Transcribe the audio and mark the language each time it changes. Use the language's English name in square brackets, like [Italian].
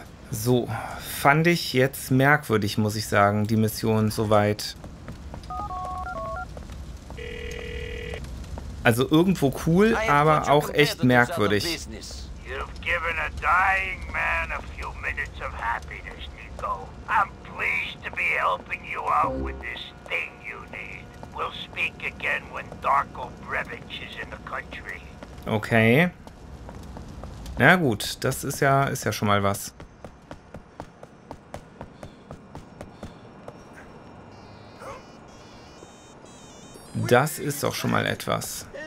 [German] So, fand ich jetzt merkwürdig, muss ich sagen, die Mission soweit. Also irgendwo cool, aber auch echt merkwürdig. [English] You've given a dying man a few minutes of happiness, Nico. I'm pleased to be helping you out with this thing you need. We'll speak again when Darko Brevich is in the country. Okay. [German] Na gut, das ist ja schon mal was. Das ist doch schon mal etwas.